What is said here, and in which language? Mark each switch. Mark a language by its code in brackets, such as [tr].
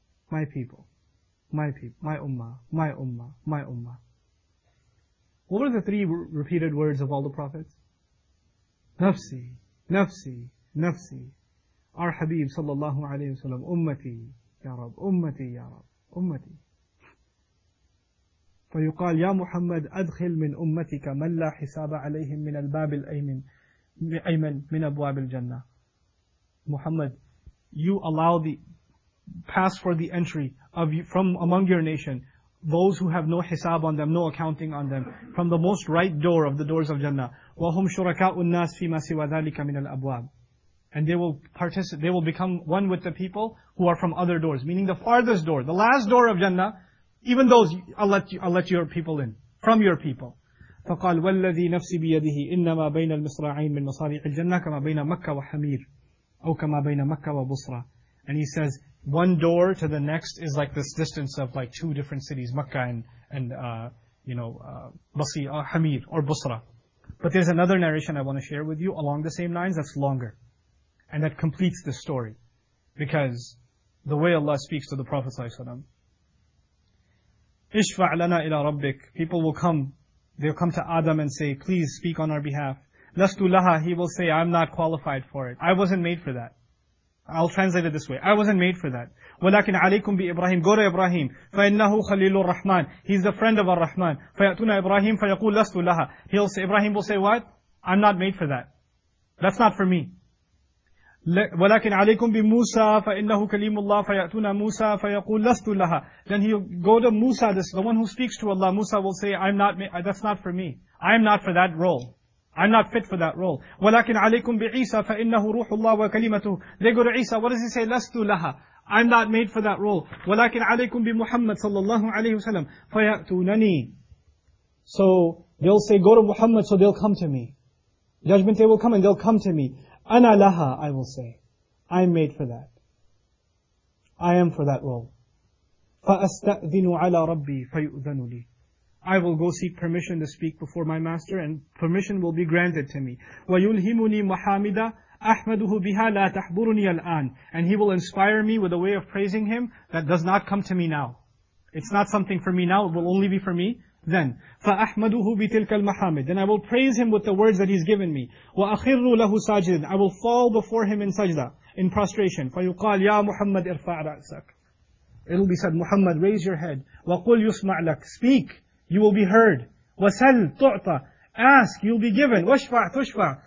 [en] My people. My people. My ummah. My ummah. My ummah. What were the three repeated words of all the prophets? [ar] نَفْسِي. نَفْسِي. نَفْسِي. [en] Our Habib, sallallahu alayhi wa sallam, [ar] أُمَّتِي يَا رَبْ. أُمَّتِي يَا رَبْ. أمتي. فيقال يا محمد أدخل من أمتك من لا حساب عليهم من الباب الأيمن من أبواب الجنة. [en] Muhammad, you allow the pass for the entry of you, from among your nation, those who have no hisab on them, no accounting on them, from the most right door of the doors of Jannah. [ar] وهم شركاء الناس فيما سوى ذلك من الأبواب. [en] And they will participate, they will become one with the people who are from other doors, meaning the farthest door, the last door of Jannah. Even those, I'll let your people in, from your people. [ar] فقال والذي نفسي بيده إنما بين المصراعين من مصارع الجنة كما بين مكة وحمير أو كما بين مكة وبصرة. [en] And he says, one door to the next is like this distance of like two different cities, Mecca and حمير or Busra. But there's another narration I want to share with you along the same lines that's longer. And that completes the story. Because the way Allah speaks to the Prophet ﷺ, [ar] إِشْفَعْ لَنَا إِلَىٰ رَبِّكْ. [en] People will come, they'll come to Adam and say, please speak on our behalf. [ar] لَسْتُ لَهَا. [en] He will say, I'm not qualified for it. I wasn't made for that. I'll translate it this way. I wasn't made for that. [ar] وَلَكِنْ عَلَيْكُمْ بِإِبْرَاهِيمْ. [en] Go to Ibrahim. [ar] فَإِنَّهُ خَلِيلُ الرَّحْمَنِ. [en] He's the friend of Ar-Rahman. [ar] فَيَأْتُونَ إِبْرَاهِيمْ فَيَقُولْ لَسْتُ لَهَا. [en] He'll say, Ibrahim will say what? I'm not made for that. That's not for me. [ar] ولكن عليكم بموسى فإنه كليم الله فيأتون موسى فيقول لست لها. [en] Then he'll go to Musa, this the one who speaks to Allah. Musa will say, that's not for me. I'm not for that role. I'm not fit for that role. [ar] ولكن عليكم بعيسى فإنه روح الله وكلمته. [en] They go to Isa. What does he say? [ar] لست لها. [en] I'm not made for that role. [ar] ولكن عليكم بمحمد صلى الله عليه وسلم فيأتونني. [en] So they'll say, go to Muhammad. So they'll come to me. Judgment day will come and they'll come to me. [ar] أنا لها, [en] I will say. I'm made for that. I am for that role. [ar] فَأَسْتَأْذِنُ عَلَىٰ رَبِّي فَيُؤْذَنُ لِي. [en] I will go seek permission to speak before my master and permission will be granted to me. [ar] وَيُلْهِمُنِي مُحَامِدًا أَحْمَدُهُ بِهَا لَا تَحْبُرُنِي الْآنِ. [en] And he will inspire me with a way of praising him that does not come to me now. It's not something for me now, it will only be for me. Then, [ar] فَأَحْمَدُهُ بِتِلْكَ الْمَحَامِدِ. [en] Then I will praise him with the words that he's given me. [ar] وَأَخِرُّ لَهُ سَاجِدٍ. [en] I will fall before him in sajda, in prostration. [ar] فَيُقَالْ يَا مُحَمَّدْ اِرْفَعْ رَأْسَكْ. [en] It'll be said, Muhammad, raise your head. [ar] وَقُلْ يُسْمَعْ لَكْ. [en] Speak, you will be heard. [ar] وَسَلْ تُعْطَ. [en] Ask, you'll be given. [ar] وَشْفَعْ تُشْفَعْ.